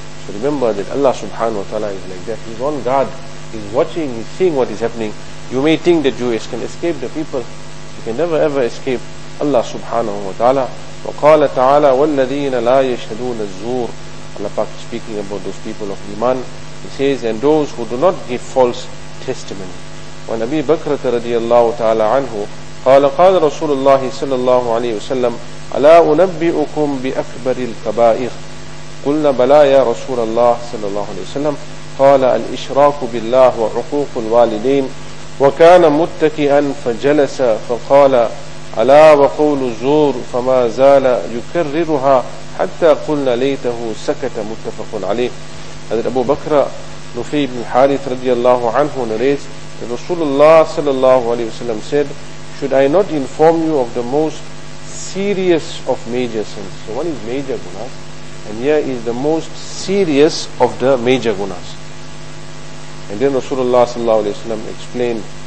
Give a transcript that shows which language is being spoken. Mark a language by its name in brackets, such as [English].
[English] So remember that Allah subhanahu wa ta'ala is like that. He's on guard, he's watching, he's seeing what is happening. You may think that you can escape the people, you can never ever escape Allah subhanahu wa ta'ala. [Arabic] وَقَالَ تَعَالَى وَالَّذِينَ لَا يَشْهَدُونَ الزُّورِ. [English] Allah Pak is speaking about those people of Iman. He says, and those who do not give false testimony. When Abi Bakr radiallahu ta'ala anhu, [Arabic] قال رسول الله صلى الله عليه وسلم, ألا أنبئكم بأكبر الكبائر؟ قلنا بلى يا رسول الله صلى الله عليه وسلم. قال الإشراك بالله وعقوق الوالدين. وكان متكئا فجلس فقال ألا وقول الزور. فما زال يكررها حتى قلنا ليته سكت. متفق عليه. هذا أبو بكر نفي بن حارث رضي الله عنه نريد. [English] Rasulullah sallallahu alayhi wasallam said, should I not inform you of the most serious of major sins? So one is major gunas, and here is the most serious of the major gunas. And then Rasulullah sallallahu alayhi wasallam explained.